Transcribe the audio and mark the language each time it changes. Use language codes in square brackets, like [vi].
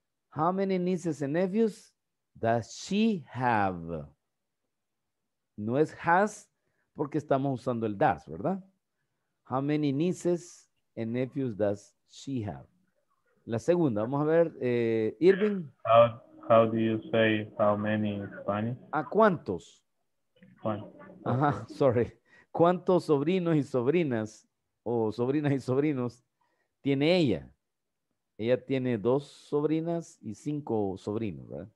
[en] How many nieces and nephews does she have? [es] No es has porque estamos usando el does, ¿verdad? [en] How many nieces and nephews does she have? [es] La segunda. Vamos a ver, Irving. [en] How do you say how many in Spanish? [es] ¿A cuántos? [en] One. [es] Ajá, sorry. ¿Cuántos sobrinos y sobrinas o sobrinas y sobrinos tiene ella? Ella tiene dos sobrinas y cinco sobrinos, ¿verdad?